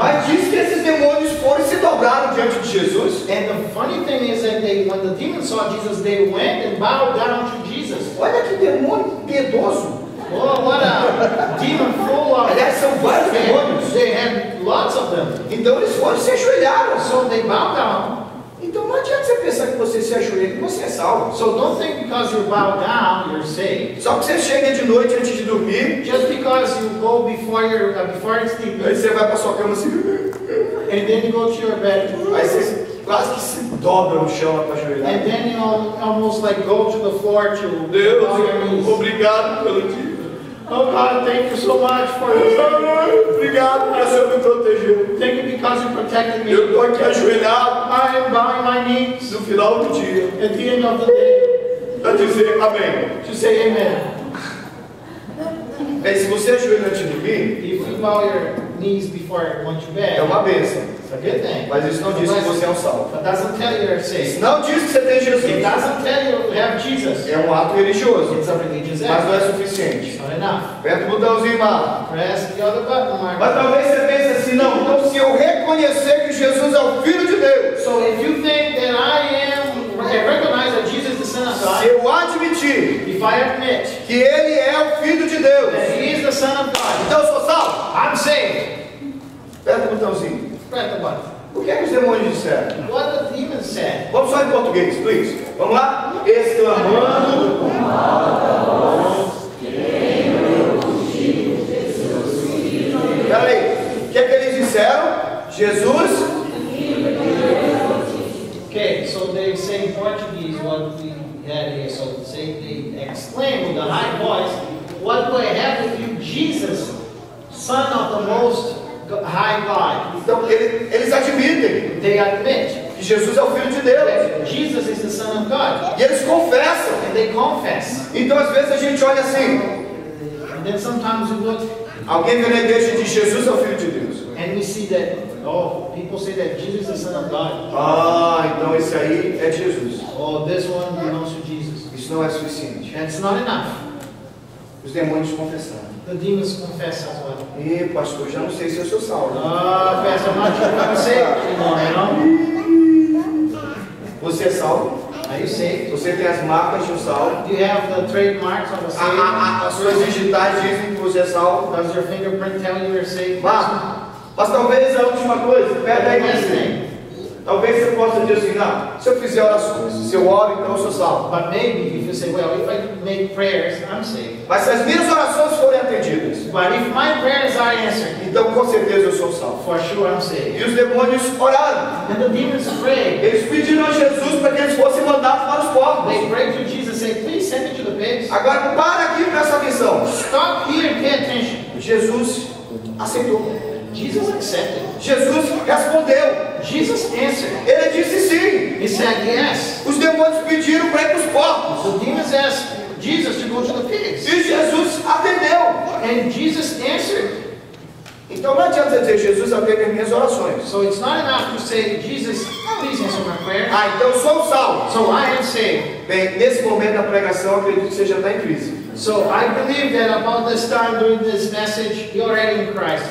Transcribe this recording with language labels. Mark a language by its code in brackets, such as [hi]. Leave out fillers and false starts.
[pt] Mas diz que esses demônios foram e se dobraram diante de Jesus. [en] And the funny thing is that they, when the demons saw Jesus, they went and bowed down to Jesus. [pt] Olha que demônio piedoso. [en] Oh, what a demon full of. [pt] Aliás, são vários demônios. [en] They had lots of them. [pt] Então eles foram se ajoelharam. [en] So they bow down. [pt] Então não adianta você pensar que você se ajoelha, que você é salvo. [en] So don't think because you bow down, you're saved. [pt] Só que você chega de noite antes de dormir. [en] Just because you go before your before sleep. [pt] Aí você vai para sua cama assim. [en] And then you go to your bed. [pt] Aí você quase que se dobra no chão para ajoelhar. [en] And then you almost like go to the floor to. [pt] Deus, obrigado pelo dia. [en] Oh God, thank you so much for your favor. [pt] Obrigado, porque o Senhor me protegeu. [en] Thank you because you protected me. [pt] Eu estou aqui ajoelhado. [en] I am bowing my knees. [pt] No final do dia. [en] At the end of the day. [pt] Para dizer amém. [en] To say amen. [pt] Bem, se você ajoelha antes de mim. [en] If you bow your knees before I want to bed. [pt] É uma bênção. Mas isso não diz que você é um salvo. [en] But doesn't tell you you're saved. [pt] Não diz que você tem Jesus. [en] It doesn't tell you you have Jesus. [pt] É um ato religioso. [en] It's a religious act. [pt] Mas não é suficiente. [en] It's not enough. [pt] Aperta o botãozinho, Marco. [en] Press the other button, Mark. [pt] Mas talvez você pense assim, não. Então se eu reconhecer que Jesus é o Filho de Deus. [en] So if you think that I am, I recognize that Jesus is the Son of God. [pt] Se eu admitir. [en] If I admit. [pt] Que Ele é o Filho de Deus. [en] That He is the Son of God. [pt] Então eu sou salvo. [en] I'm saved. [pt] Aperta o botãozinho. O que é que os demônios disseram? [en] What the demons said? [pt] Vamos só em português, please. Vamos lá? Exclamando. Peraí. O que é que eles disseram? Jesus. [en] Ok, so they say in Portuguese what we had here. So say they exclaim with a high voice, what do I have with you, Jesus, Son of the Most High God. [pt] Então eles admitem. [en] They admit [pt] que Jesus é o Filho de Deus. [en] Jesus is the Son of God. [pt] E eles confessam. [en] And they confess. [pt] Então às vezes a gente olha assim. [en] And then sometimes we look. [pt] Alguém vem na igreja e diz Jesus é o Filho de Deus. [en] And we see that, oh, people say that Jesus is the Son of God. [pt] Ah, então esse aí é Jesus. [en] Oh, this one belongs to Jesus. [pt] Isso não é suficiente. [en] That's not enough. [pt] Os demônios confessaram. [en] The demons confess as well. [pt] Ih, pastor, já não sei se eu sou salvo. Ah, pastor, não sei. Não é não? Você é salvo? [en] Are you saved? [pt] Você tem as marcas de um salvo? [en] Do you have the trademarks of a saved? [pt] As suas digitais dizem que você é salvo? [en] Does your fingerprint tell you you're saved? [pt] Mas talvez a última coisa, pega aí. Talvez você possa dizer assim, não, se eu fizer orações, se eu oro, então eu sou salvo. [en] But maybe if you say, well, if I make prayers, I'm saved. [pt] Mas se as minhas orações forem atendidas. [en] But if my prayers are answered. [pt] Então com certeza eu sou salvo. [en] For sure I'm saved. [pt] E os demônios oraram. [en] And the demons prayed. [pt] Eles pediram a Jesus para que eles fossem mandados para os povos. [en] They prayed to Jesus saying, please send me to the pigs. [pt] Agora para aqui com essa missão. [en] Stop here and pay attention. [pt] Jesus aceitou. [en] Jesus accepted. [pt] Jesus respondeu. [en] Jesus answered. [pt] Ele disse sim. [en] He said yes. [pt] Os demônios pediram para ir para os porcos. [en] The demons asked Jesus to go to the pigs. [pt] E Jesus atendeu. [en] And Jesus answered. [pt] Então não adianta dizer Jesus atende minhas orações. [en] So it's not enough to say Jesus please answer my prayer. [pt] Ah, então sou salvo. [en] So I am saved. [pt] Bem, nesse momento da pregação acredito que você já está em crise. [en] So I believe that about this time during this message you're already in Christ.